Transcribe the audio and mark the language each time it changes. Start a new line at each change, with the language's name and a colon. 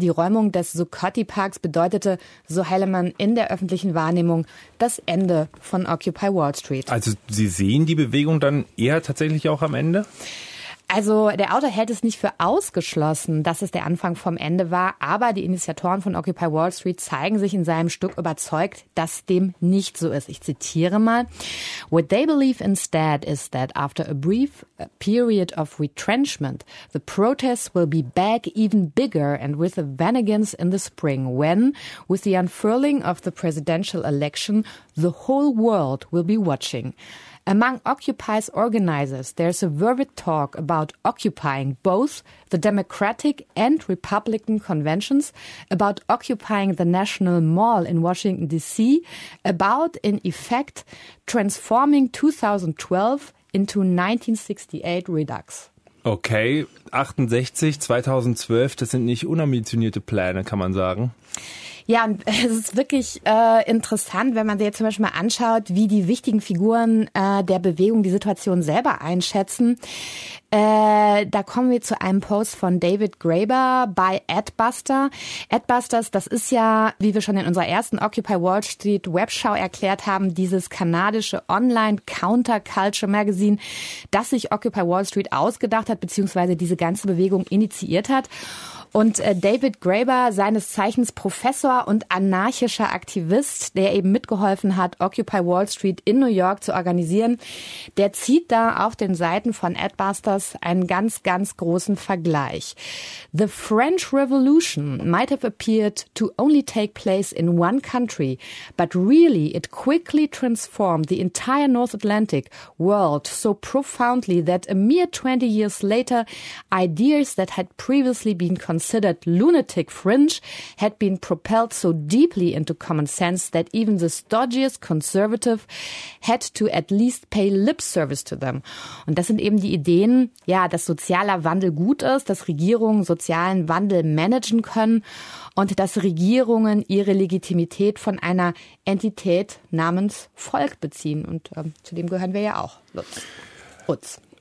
German: Die Räumung des Zuccotti-Parks bedeutete, so Haleman, in der öffentlichen Wahrnehmung das Ende von Occupy Wall Street. Also Sie sehen die Bewegung dann eher tatsächlich auch am Ende? Also der Autor hält es nicht für ausgeschlossen, dass es der Anfang vom Ende war, aber die Initiatoren von Occupy Wall Street zeigen sich in seinem Stück überzeugt, dass dem nicht so ist. Ich zitiere mal.
English: What they believe instead is that after a brief period of retrenchment, the protests will be back even bigger and with the Vanagons in the spring, when, with the unfurling of the presidential election, the whole world will be watching. Among Occupy's organizers, there's a vivid talk about occupying both the Democratic and Republican conventions, about occupying the National Mall in Washington, D.C., about, in effect, transforming 2012 into 1968 Redux.
German: Okay, 68, 2012, das sind nicht unambitionierte Pläne, kann man sagen. Ja, es ist wirklich interessant, wenn man sich jetzt zum Beispiel mal anschaut, wie die wichtigen Figuren der Bewegung die Situation selber einschätzen. Da kommen wir zu einem Post von David Graeber bei Adbuster. Adbusters, das ist ja, wie wir schon in unserer ersten Occupy Wall Street Webshow erklärt haben, dieses kanadische Online-Counter-Culture-Magazin, das sich Occupy Wall Street ausgedacht hat, beziehungsweise diese ganze Bewegung initiiert hat. Und David Graeber, seines Zeichens Professor und anarchischer Aktivist, der eben mitgeholfen hat, Occupy Wall Street in New York zu organisieren, der zieht da auf den Seiten von Adbusters einen ganz, ganz großen Vergleich.
English: The French Revolution might have appeared to only take place in one country, but really it quickly transformed the entire North Atlantic world so profoundly that a mere 20 years later, ideas that had previously been considered lunatic fringe had been propelled so deeply into common sense that even the stodgiest conservative had to at least pay lip service to them.
German: Und das sind eben die Ideen, ja, dass sozialer Wandel gut ist, dass Regierungen sozialen Wandel managen können und dass Regierungen ihre Legitimität von einer Entität namens Volk beziehen. Und zu dem gehören wir ja auch, Lutz.